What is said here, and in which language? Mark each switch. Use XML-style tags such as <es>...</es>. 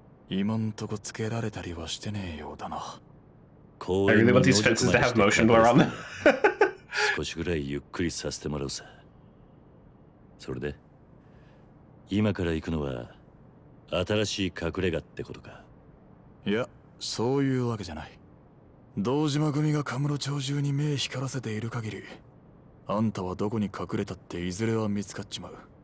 <ja>今んとこつけられたりはしてねえようだな。</ja> <en>I really want these fences to have motion blur on them.</en> <ja>少しぐらいゆっくりさせてもらうさ。それで、今から行くのは新しい隠れ家ってことか？いや、そういうわけじゃない。堂島組がカムロ町中に目光らせている限り、あんたはどこに隠れたっていずれは見つかっちまう。</ja>